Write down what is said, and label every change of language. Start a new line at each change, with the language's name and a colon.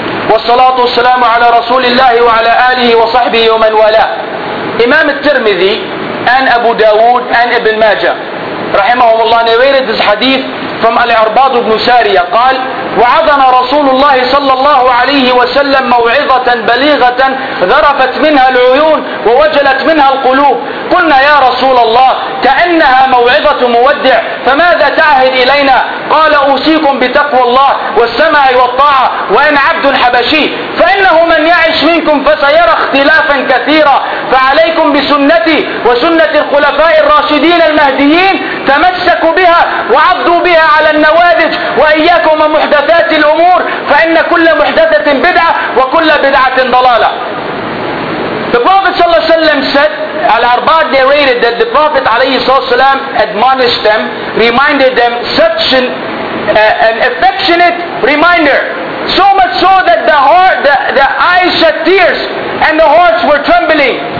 Arabic: والصلاة والسلام على رسول الله وعلى آله وصحبه ومن والاه.
English: Imam al-Tirmidhi and Abu Dawood and Ibn Majah
Arabic: رحمهم الله
English: narrated this hadith from Al-Arbad ibn Sariya.
Arabic: قال وعظنا رسول الله صلى الله عليه وسلم موعظة بليغة ذرفت منها العيون ووجلت منها القلوب. قلنا يا رسول الله كأنها موعظة مودع، فماذا تعهد إلينا؟ قال أوصيكم بتقوى الله والسمع والطاعة وأنا عبد حبشي، فإنه من يعش منكم فسيرى اختلافا كثيرا، فعليكم بسنتي وسنة الخلفاء الراشدين المهديين تمسكوا بها وعضوا بها على النواذج، وإياكم ومحدثات الأمور فإن كل محدثة بدعة وكل بدعة ضلالة.
English: The Prophet ﷺ said, Al-Arbad narrated that the Prophet ﷺ admonished them, reminded them such an affectionate reminder. So much so that the heart, the eyes shed tears and the hearts were trembling.